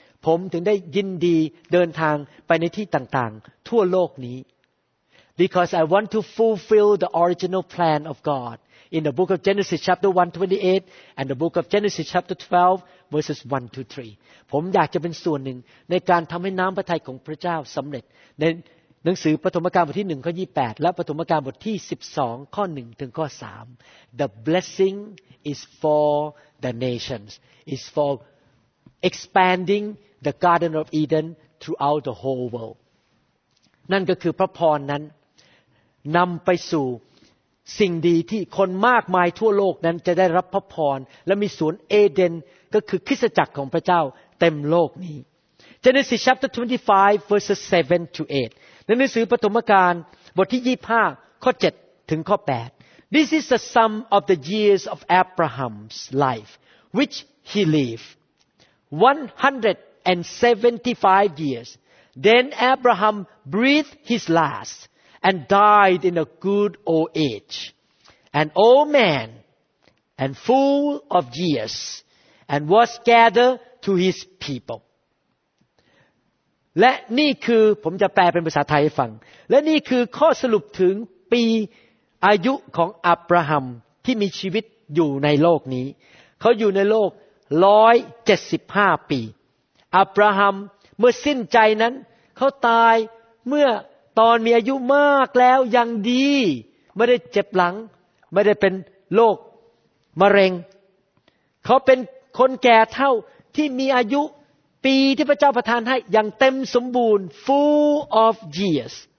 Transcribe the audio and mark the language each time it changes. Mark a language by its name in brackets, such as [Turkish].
[Thai] ผมถึงได้ยินดีเดินทางไปในที่ต่างๆทั่วโลกนี้ [English] because I want to fulfill the original plan of GodIn the book of Genesis chapter 1:28 and the book of Genesis chapter 12 verses 1-3 [Thai] ผมอยากจะเป็นส่วนหนึ่งในการทำให้น้ำพระทัยของพระเจ้าสำเร็จในหนังสือปฐมกาลบทที่1ข้อ28และปฐมกาลบทที่12ข้อ1ถึงข้อ3 [English] The blessing is for the nations is for expanding the garden of Eden throughout the whole world [Thai] นั่นก็คือพระพรนั้นนำไปสู่สิ่งดีที่คนมากมายทั่วโลกนั้นจะได้รับพระพรและมีสวนเอเดนก็คือคริสตจักรของพระเจ้าเต็มโลกนี้ [English] Genesis chapter 25 verses 7 to 8 [Thai] ในหนังสือปฐมกาลบทที่25ข้อ7ถึงข้อ8 [English] This is the sum of the years of Abraham's life which he lived 175 years then Abraham breathed his lastAnd died in a good old age, an old man, and full of years, and was gathered to his people. [Thai] และนี่คือผมจะแปลเป็นภาษาไทยให้ฟังและนี่คือข้อสรุปถึงปี อายุของอับราฮัมที่มีชีวิตอยู่ในโลกนี้เขาอยู่ในโลก175ปีอับราฮัมเมื่อสิ้นใจนั้นเขาตายเมื่อตอนมีอายุมากแล้วยังดีไม่ได้เจ็บหลังไม่ได้เป็นโรคมะเร็งเขาเป็นคนแก่เท่าที่มีอายุปีที่พระเจ้าประทานให้อย่างเต็มสมบูรณ์ [English] full of years